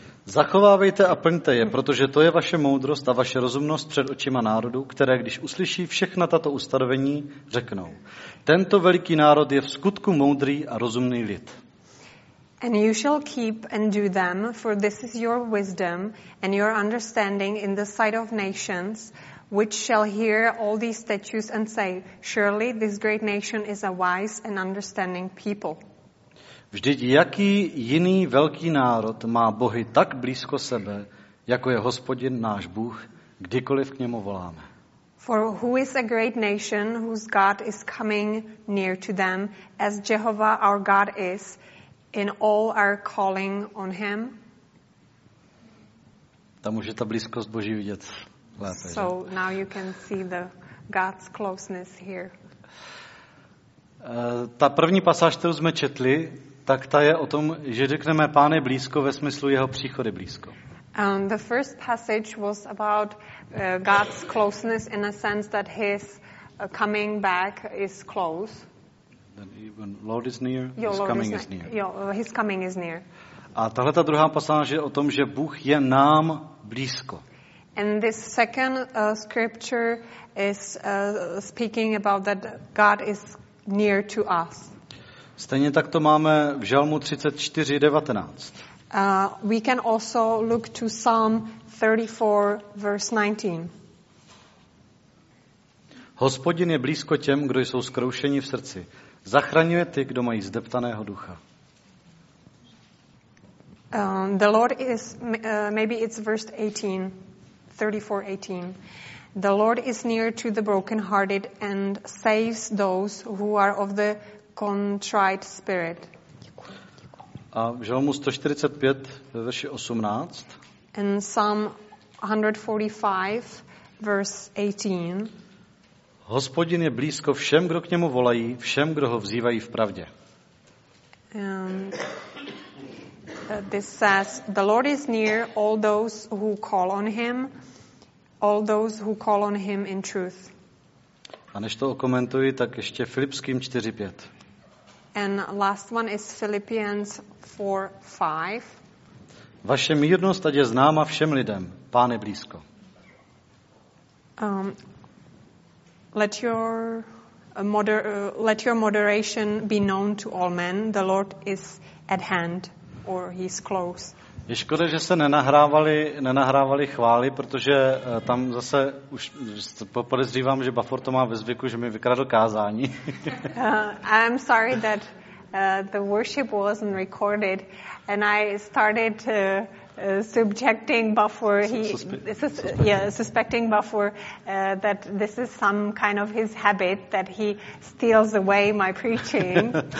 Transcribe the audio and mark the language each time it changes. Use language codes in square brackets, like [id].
[cs] Zachovávejte a plňte je, protože to je vaše moudrost a vaše rozumnost před očima národu, které, když uslyší všechna tato ustanovení, řeknou. Tento veliký národ je v skutku moudrý a rozumný lid. [en] And you shall keep and do them, for this is your wisdom and your understanding in the sight of nations, which shall hear all these statutes and say, surely this great nation is a wise and understanding people. [cs] Vždyť jaký jiný velký národ má bohy tak blízko sebe, jako je Hospodin náš Bůh, kdykoliv k němu voláme. [en] For who is a great nation whose God is coming near to them, as Jehovah our God is, in all our calling on him? [cs] Tam může ta blízkost Boží vidět lépe. [en] So now you can see the God's closeness here. [cs] Ta první pasáž, kterou jsme četli, tak ta je o tom, že řekneme Pán je blízko ve smyslu jeho příchody blízko. [en] The first passage was about God's closeness in a sense that his coming back is close. Then even Lord is near, jo, his Lord coming is near. Jo, his coming is near. [cs] A tahle ta druhá pasáž je o tom, že Bůh je nám blízko. [en] And this second scripture is speaking about that God is near to us. [cs] Stejně tak to máme v Žalmu 34:19. [en] We can also look to Psalm 34, verse 19. [cs] Hospodin je blízko těm, kdo jsou zkroušeni v srdci. Zachraňuje ty, kdo mají zdeptaného ducha. [en] The Lord is, maybe it's verse 18, 34, 18. The Lord is near to the brokenhearted and saves those who are of the contrite spirit. [cs] A v Žalmu 145, ve verši 18. [en] And Psalm 145, verse 18. [cs] Hospodin je blízko všem, kdo k němu volají, všem, kdo ho vzývají v pravdě. [en] This says, the Lord is near all those who call on him, all those who call on him in truth. [cs] A než to okomentuji, tak ještě Filipským 4:5. [en] And last one is Philippians 4:5. [cs] Vaše mírnost ať je známa všem lidem. Pán je blízko. [en] Let your moderation be known to all men. The Lord is at hand, or he is close. [cs] Je škoda, že se nenahrávali chvály, protože tam zase už podezřívám, že Bafor to má ve zvyku, že mi vykradl kázání. [en] I'm sorry that the worship wasn't recorded and I started subjecting Bafor, suspecting Bafor that this is some kind of his habit that he steals away my preaching.